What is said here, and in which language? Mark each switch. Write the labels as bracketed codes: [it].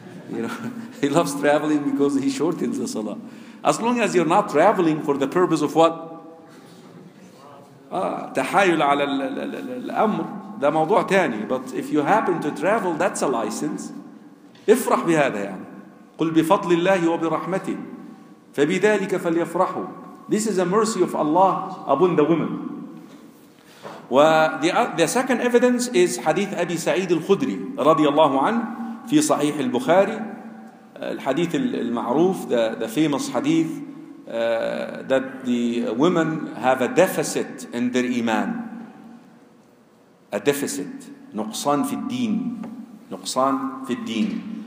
[en] You know, he loves traveling because he shortens the Salah. As long as you're not traveling for the purpose of what? [ar] تحايل على الأمر, ده موضوع تاني. [en] But if you happen to travel, that's a license. [ar] افرح بهذا يعني. قل بفضل الله وبرحمته فبذلك فليفرحوا. [en] This is a mercy of Allah upon the women. The second evidence is Hadith Abi Sa'id al-Khudri [ar] رضي الله عنه في صحيح البخاري, الحديث المعروف, [en] the famous hadith that the women have a deficit in their iman, a deficit, [ar] نقصان في الدين, نقصان في الدين.